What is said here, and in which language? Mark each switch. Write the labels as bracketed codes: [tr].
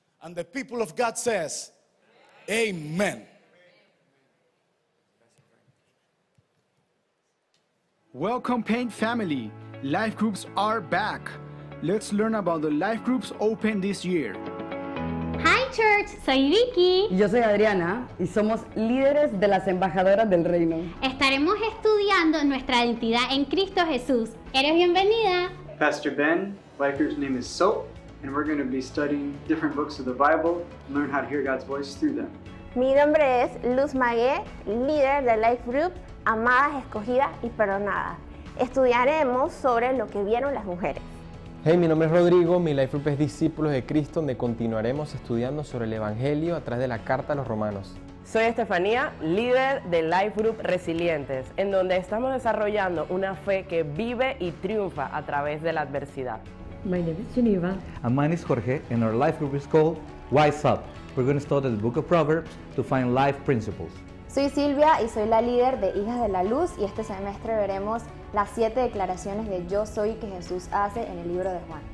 [en] And the people of God says, amen. Welcome, Paint family. Life groups are back. Let's learn about the life groups open this year. Hi, church. [es] Soy Vicky. Y yo soy Adriana. Y somos líderes de las embajadoras del reino. Estaremos estudiando nuestra identidad en Cristo Jesús. Eres bienvenida. [en] Pastor Ben, life group's name is Soap. And we're going to be studying different books of the Bible and learn how to hear God's voice through them. [es] Mi nombre es Luz Magué, líder de Life Group, Amadas, Escogidas y Perdonadas. Estudiaremos sobre lo que vieron las mujeres. Hey, mi nombre es Rodrigo, mi Life Group es Discípulos de Cristo, donde continuaremos estudiando sobre el Evangelio a través de la Carta a los Romanos. Soy Estefanía, líder de Life Group Resilientes, en donde estamos desarrollando una fe que vive y triunfa a través de la adversidad. [en] My name is Geneva. And mine is Jorge, and our life group is called Wise Up. We're going to study the book of Proverbs to find life principles. [es] Soy Silvia, y soy la líder de Hijas de la Luz, y este semestre veremos las siete declaraciones de Yo Soy que Jesús hace en el libro de Juan.